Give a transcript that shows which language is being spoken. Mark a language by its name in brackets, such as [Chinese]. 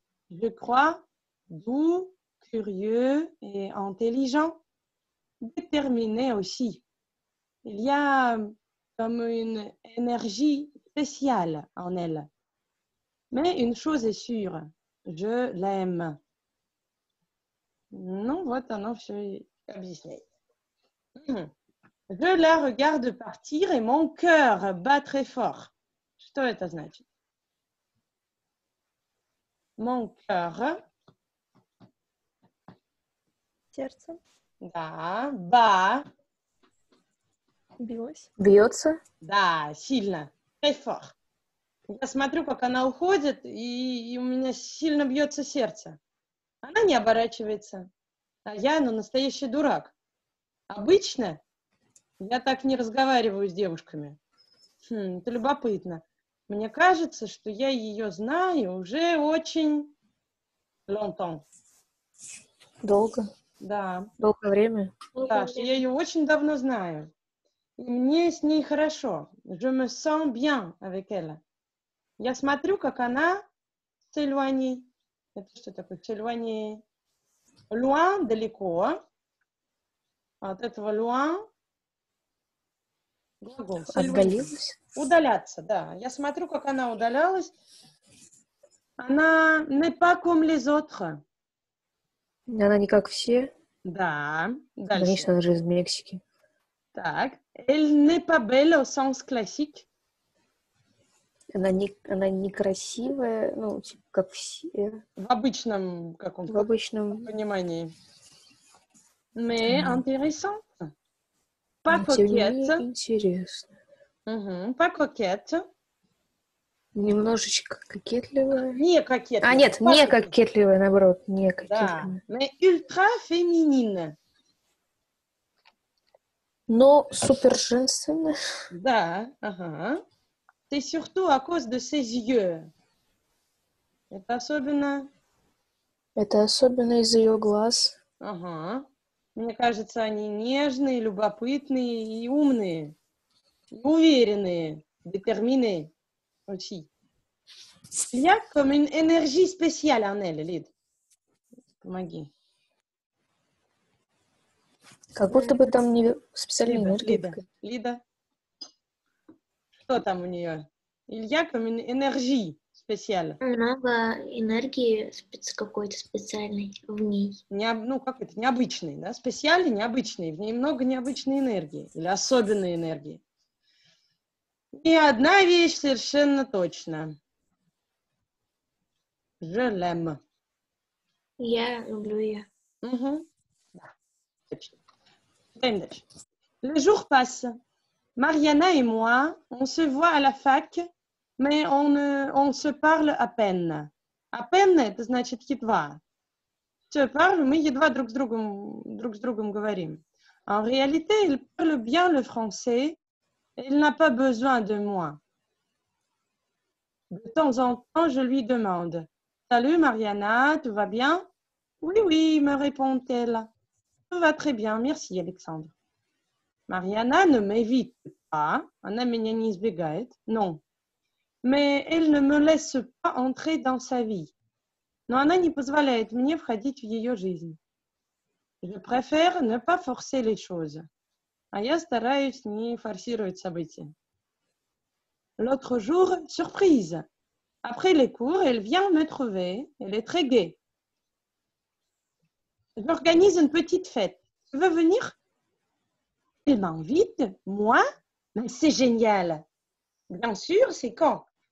[French] Je crois doux, curieux et intelligent, déterminé aussi. Il y a comme une énergie spéciale en elle. Mais une chose est sûre, je l'aime. [Russian] Non, вот оно все объясняет. [French] Je la regarde partir et mon cœur bat très fort. [Russian] Что это значит? [French] Mon cœur. [Russian] Сердце. Да, ба. Билось. Бьется. Да, сильно. Кайфор. Я смотрю, как она уходит, и у меня сильно бьется сердце. Она не оборачивается. А я, ну, настоящий дурак. Обычно я так не разговариваю с девушками. Это любопытно. Мне кажется, что я ее знаю уже очень longtemps. Долго. Да. Долгое время. Да, что я ее очень давно знаю. И мне с ней хорошо. Je me sens bien avec elle. Я смотрю, как она с Эльвани. Это что такое? С Эльвани. Loin, далеко. От этого loin. Глагол. Отдалилась. Удаляться, да. Я смотрю, как она удалялась. Она не [French] pas comme les autres. [Russian] Она не как все. Да, дальше. Конечно, она же из Мексики. Так. [French] Elle n'est pas belle au sens classique. [Russian] Она некрасивая, ну, типа, как все. В обычном каком-то понимании. [French] Mais intéressante. Pas coquette. [Russian] Интересно. [French] Угу, pas coquette. [Russian] Немножечко кокетливая. Не кокетливая. А, нет, pas не coquette. Кокетливая, наоборот, не кокетливая. [French] Да, mais ultra féminine. [Russian] Но супер женственная. Да, ага. [French] C'est surtout à cause de ses yeux. [Russian] Это особенно... Это особенно из ее глаз. Ага. Мне кажется, они нежные, любопытные и умные. И уверенные. [French] Determiné. Aussi. Il y a comme une énergie spéciale en elle, Лид. [Russian] Помоги. Как будто бы там не специальная энергия. Лида. Что там у нее? [French] Il y a comme une énergie spéciale. [Russian] Много энергии какой-то специальной в ней. Ну, как это, необычный, да? Специальный, необычный. В ней много необычной энергии. Или особенной энергии. И одна вещь совершенно точно. [French] Je l'aime. [Russian] Я люблю ее. Угу. Да. Точно. Дай мне дальше. [French] Le jour passe. Mariana et moi, on se voit à la fac, mais on se parle à peine. [Russian] À peine, это значит едва. Se parle, мы едва друг с другом говорим. [French] En réalité, elle parle bien le français, elle n'a pas besoin de moi. De temps en temps, je lui demande, salut Mariana, tu vas bien? Oui, oui, me répond-elle. Tout va très bien, merci Alexandre. Mariana ne m'évite pas, [Russian] она меня не избегает, [French] non. Mais elle ne me laisse pas entrer dans sa vie. [Russian] Но она не позволяет мне входить в ее жизнь. [French] Je préfère ne pas forcer les choses. [Russian] А я стараюсь не форсировать события. [French] L'autre jour, surprise. Après les cours, elle vient me trouver. Elle est très gaie. J'organise une petite fête. Tu veux venir? Elle m'invite, moi? Mais c'est génial! Bien sûr, c'est quand?